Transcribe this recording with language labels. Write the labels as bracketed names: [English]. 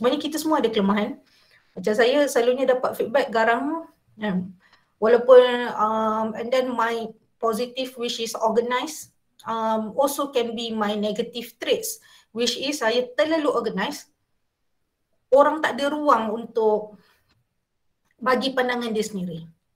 [Malay] Sebenarnya kita semua ada kelemahan. Macam saya selalunya dapat feedback garang. [English] Walaupun and then my positive which is organized also can be my negative traits, which is [Malay] saya terlalu [English] organized. [Malay] Orang tak ada ruang untuk bagi pandangan dia sendiri.